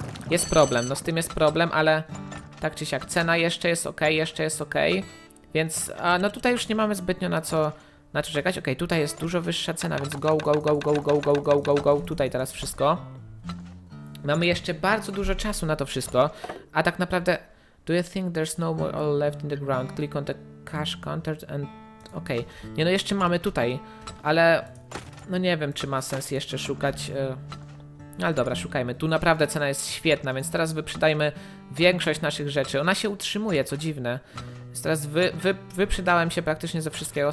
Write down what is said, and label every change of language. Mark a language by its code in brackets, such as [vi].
[pl] Jest problem, no z tym jest problem, ale... Tak czy siak, cena jeszcze jest ok, jeszcze jest ok. Więc no tutaj już nie mamy zbytnio na co czekać. Okej, tutaj jest dużo wyższa cena, więc go, go, go, go, go, go, go, go, go. Tutaj teraz wszystko. Mamy jeszcze bardzo dużo czasu na to wszystko. A tak naprawdę... [en] Do you think there's no more oil left in the ground? Click on the cash counter and... Okej. [pl] Nie no, jeszcze mamy tutaj. Ale no nie wiem, czy ma sens jeszcze szukać... Ale dobra, szukajmy. Tu naprawdę cena jest świetna, więc teraz wyprzedajmy większość naszych rzeczy. Ona się utrzymuje, co dziwne. Teraz wyprzedałem się praktycznie ze wszystkiego.